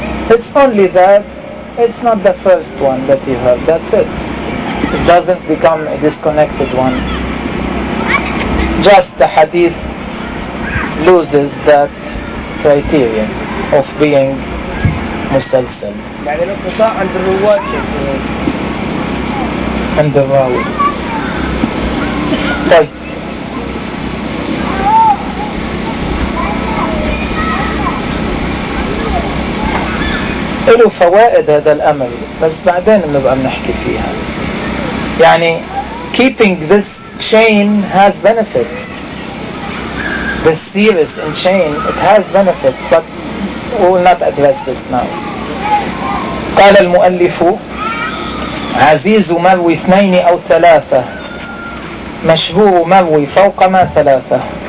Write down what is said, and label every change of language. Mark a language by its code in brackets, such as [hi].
[en] It's only that it's not the first one that you heard, that's it. It doesn't become a disconnected one. Just the hadith loses that criterion of being مسلسل. [ar] يعني لو قطع عند الرواد عند الراوي. طيب له فوائد هذا الامر بس بعدين بنبقى بنحكي فيها. [en] يعني keeping this chain has benefits, this series in chain it has benefits, but we'll not address this now. [ar] قال المؤلف عزيز مروي اثنين او ثلاثة مشهور مروي فوق ما ثلاثة.